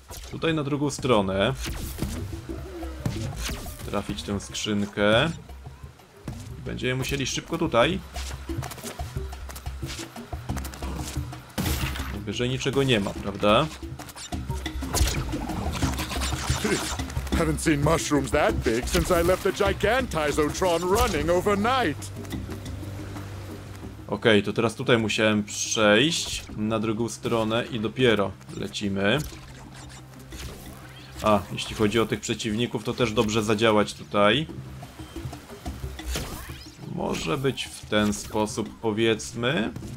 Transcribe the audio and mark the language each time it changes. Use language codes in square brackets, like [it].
[pl] Tutaj na drugą stronę. Trafić tę skrzynkę. Będziemy musieli szybko tutaj. Wyżej niczego nie ma, prawda? [en] Haven't seen mushrooms that big since I left the Gigantizotron running overnight. [pl] Okej, to teraz tutaj musiałem przejść na drugą stronę i dopiero lecimy. A, jeśli chodzi o tych przeciwników, to też dobrze zadziałać tutaj. Może być w ten sposób, powiedzmy.